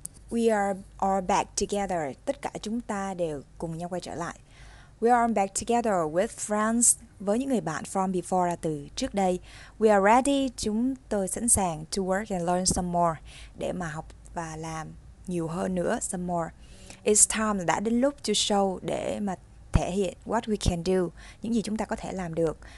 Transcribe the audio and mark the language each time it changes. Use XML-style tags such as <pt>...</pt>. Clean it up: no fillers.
<en>We are all back together.</en> <vi>Tất cả chúng ta đều cùng nhau quay trở lại.</vi> <en>We are back together with friends.</en> <vi>Với những người bạn</vi> <en>from before</en> <vi>là từ trước đây.</vi> <en>We are ready.</en> <vi>Chúng tôi sẵn sàng</vi> <en>to work and learn some more.</en> <vi>Để mà học và làm nhiều hơn nữa.</vi> <en>Some more. It's time.</en> <vi>Đã đến lúc</vi> <en>to show.</en> <vi>Để mà thể hiện</vi> <en>what we can do.</en> <vi>Những gì chúng ta có thể làm được.</vi>